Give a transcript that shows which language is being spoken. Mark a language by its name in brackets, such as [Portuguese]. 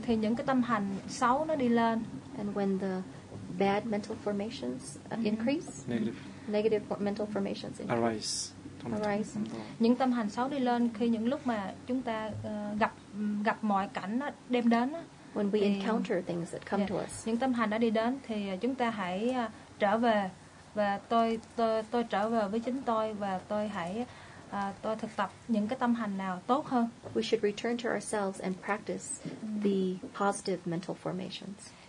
[Vietnamese] Thì những cái tâm hành xấu nó đi lên. [English] And when the bad mental formations increase, negative mental formations increase. Arise. Arise. [Vietnamese] Những tâm hành xấu đi lên khi những lúc mà chúng ta gặp mọi cảnh nó đem đến. [English] When we encounter things that come to us. [Vietnamese] Những tâm hành đã đi đến thì chúng ta hãy trở về và tôi trở về với chính tôi và tôi hãy tôi thực tập những cái tâm hành nào tốt hơn. [English] We should return to ourselves and practice the positive mental formations.